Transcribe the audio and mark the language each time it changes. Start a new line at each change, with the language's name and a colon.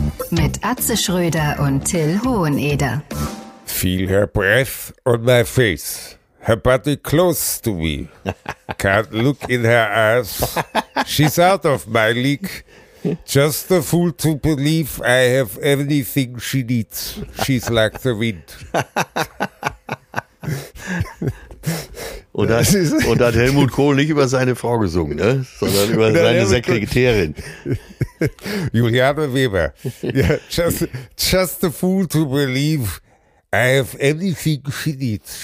German: Mit Atze Schröder und Till Hoheneder.
English: Feel her breath on my face. Her body close to me. Can't look in her eyes. She's out of my league. Just a fool to believe I have anything she needs. She's like the wind.
German: Und hat, und hat Helmut Kohl nicht über seine Frau gesungen, ne? Sondern über seine Sekretärin. Juliane Weber.
English: Yeah, just a fool to believe I have anything she needs.